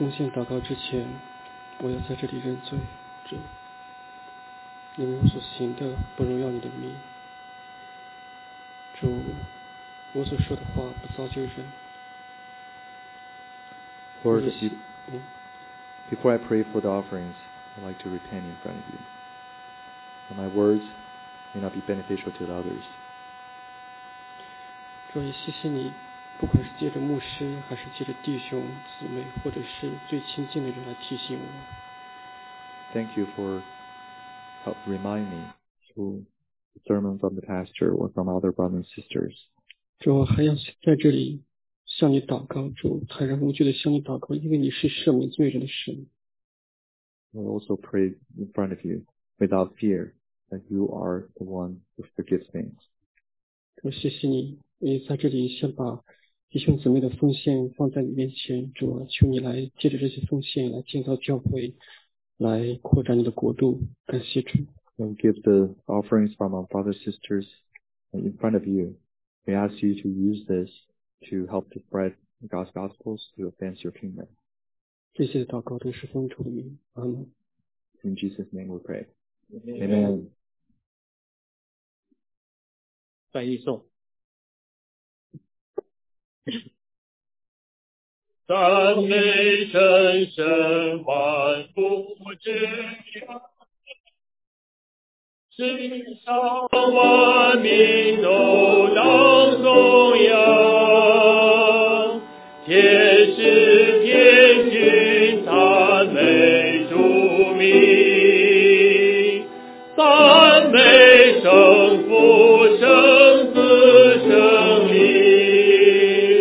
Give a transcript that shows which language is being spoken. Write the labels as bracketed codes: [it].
[zh] 祷告之前，我要在这里认罪，主，因为我所行的不荣耀你的名。主，我所说的话不造就人。 [en] Lord, before I pray for the offerings, I'd like to repent in front of you. But my words may not be beneficial to others. [zh] 主，也谢谢你。不管是借着牧师，还是借着弟兄姊妹，或者是最亲近的人来提醒我。 [en] Thank you for help remind me through the sermon from the pastor or from other brothers and sisters. [zh] 主，我还要在这里向你祷告，主，坦然无惧的向你祷告，因为你是赦免罪人的神。 [en] I also pray in front of you without fear that you are the one who forgives things. [zh] 主，谢谢你，我也在这里先把弟兄姊妹的奉献放在你面前，主啊，求你来借着这些奉献来建造教会，来扩展你的国度。感谢主。 [en] And give the offerings from our brothers and sisters in front of you. We ask you to use this to help to spread God's gospels to advance your kingdom. [zh] 这些祷告都是奉主的名。阿门。 [en] In Jesus' name we pray. Amen. 翻译诵。 [zh] 赞美神，神万福之源，世上万民都当颂扬，天使天君赞美主名，赞美圣父圣子圣灵。